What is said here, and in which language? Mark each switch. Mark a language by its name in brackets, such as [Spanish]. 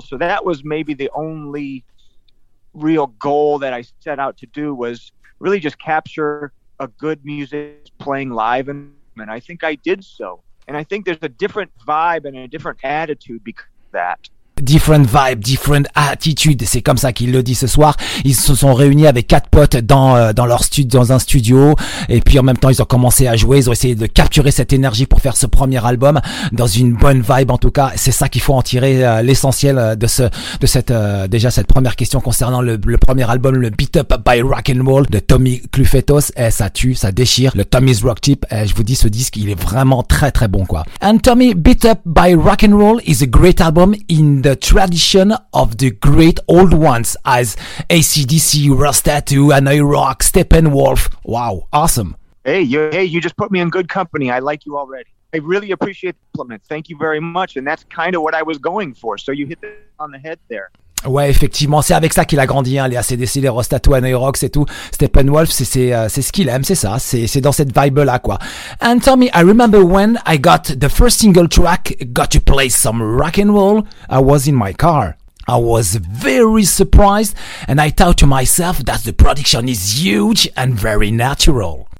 [English] So that was maybe the only real goal that I set out to do, was really just capture a good music playing live. And I think I did so. And I think there's a different vibe and a different attitude because of that. Different vibe, different attitude. [French] C'est comme ça qu'il le dit ce soir. Ils se sont réunis avec quatre potes dans leur studio, dans un studio. Et puis en même temps, ils ont commencé à jouer. Ils ont essayé de capturer cette énergie pour faire ce premier album dans une bonne vibe. En tout cas, c'est ça qu'il faut en tirer l'essentiel déjà cette première question concernant le premier album, le Beat Up by Rock and Roll de Tommy Clufetos. Et ça tue, ça déchire. Le Tommy's Rock Tip. Et je vous dis, ce disque, il est vraiment très très bon, quoi. [English] And Tommy, Beat Up by Rock and Roll is a great album in the tradition of the great old ones as AC/DC, Rush Tattoo, Anoy Rock, Steppenwolf. Wow, awesome. Hey, you just put me in good company. I like you already. I really appreciate the compliment. Thank you very much. And that's kind of what I was going for. So you hit it on the head there. [French] Ouais, effectivement, c'est avec ça qu'il a grandi, hein, les AC/DC, les Rush Tattoo, Anoy Rock, c'est tout. Steppenwolf, c'est ce qu'il aime, c'est ça. C'est dans cette vibe-là, quoi. [English] And Tommy, I remember when I got the first single track, got to play some rock and roll, I was in my car. I was very surprised and I thought to myself that the production is huge and very natural.